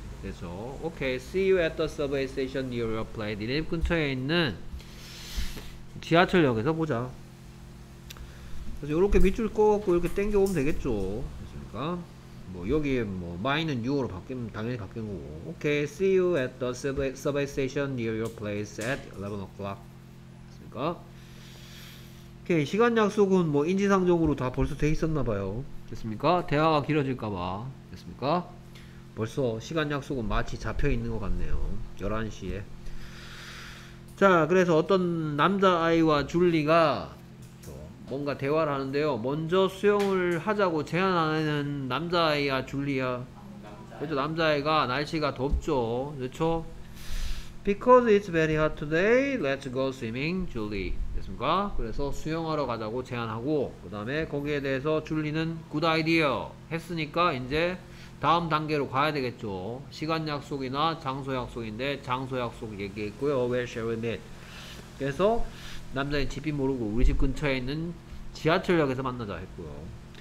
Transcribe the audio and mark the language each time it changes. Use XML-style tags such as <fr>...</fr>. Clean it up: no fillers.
<ko>그래서 오케이</ko> <en>see you at the subway station near your place.</en> <ko>니네 집 근처에 있는 지하철역에서 보자. 그래서 이렇게 밑줄 꺾고 이렇게 당겨 오면 되겠죠. 그러니까 뭐 여기 뭐 my는 you로 바뀌면 당연히 바뀐 거고. 오케이</ko> <en>see you at the subway station near your place at 11 o'clock.</en> <ko>그러니까 오케이 시간 약속은 뭐 인지상정으로 다 벌써 돼 있었나 봐요. 됐습니까? 대화가 길어질까 봐. 됐습니까? 벌써 시간 약속은 마치 잡혀 있는 것 같네요. 11시에. 자, 그래서 어떤 남자 아이와 줄리가 뭔가 대화를 하는데요. 먼저 수영을 하자고 제안하는 남자아이야 줄리야. 그렇죠. 남자아이가 날씨가 덥죠. 그렇죠?</ko> <en>Because it's very hot today, let's go swimming, Julie.</en> <ko>됐습니까? 그래서 수영하러 가자고 제안하고 그 다음에 거기에 대해서 줄리는</ko> <en>good idea</en> <ko>했으니까 이제 다음 단계로 가야 되겠죠. 시간 약속이나 장소 약속인데 장소 약속 얘기했고요.</ko> <en>Where shall we meet?</en> <ko>그래서 남자는 집이 모르고 우리 집 근처에 있는 지하철역에서 만나자 했고요.</ko>